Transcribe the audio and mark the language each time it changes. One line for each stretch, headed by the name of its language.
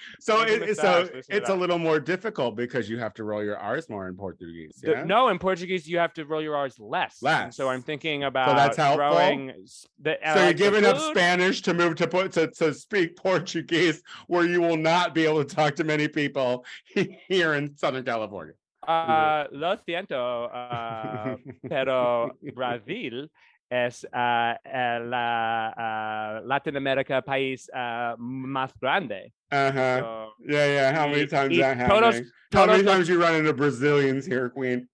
English: So it's a little more difficult because you have to roll your R's more in Portuguese. Yeah? No, in Portuguese, you have to roll your R's less. Less. So I'm thinking about growing. You're giving up Spanish to move to speak Portuguese, where you will not be able to talk to many people here in Southern California.
Spanish: Lo siento, pero Brasil es Latin America país más grande. Uh-huh.
English: How many times you run into Brazilians here, Queen?